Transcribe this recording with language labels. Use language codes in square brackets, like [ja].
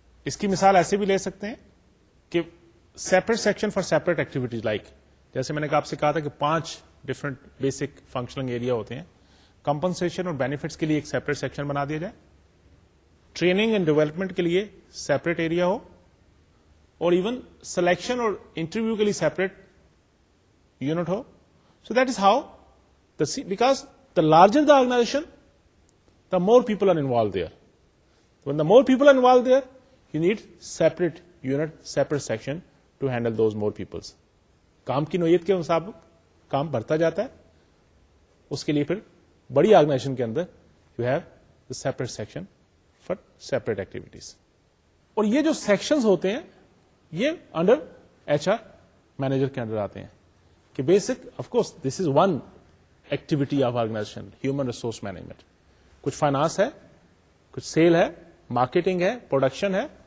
[ur] اس کی مثال ایسے بھی لے سکتے ہیں کہ [en] separate section for separate activities, [ur] like جیسے میں نے آپ سے کہا تھا کہ پانچ ڈفرنٹ بیسک فنکشنل ایریا ہوتے ہیں, کمپنسیشن اور بینیفٹس کے لیے ایک سیپریٹ سیکشن بنا دیا جائے, ٹریننگ اینڈ ڈیولپمنٹ کے لیے سیپریٹ ایریا ہو, اور ایون سلیکشن اور انٹرویو کے لیے separate unit ہو. [en] So that is how because the larger the organization, the more people are involved there. When the more people are involved there, you need separate unit, separate section to handle those more peoples. [ur] کام کی نوعیت کے مطابق کام بڑھتا جاتا ہے, اس کے لیے پھر بڑی آرگنائزیشن کے اندر [en] you have the separate section for separate activities. [ur] اور یہ جو sections ہوتے ہیں یہ under HR manager کے اندر آتے ہیں کہ [en] basic, of course, this is one activity of organization, [ur] human resource management, کچھ فائنانس ہے, کچھ سیل ہے, مارکیٹنگ ہے, پروڈکشن ہے.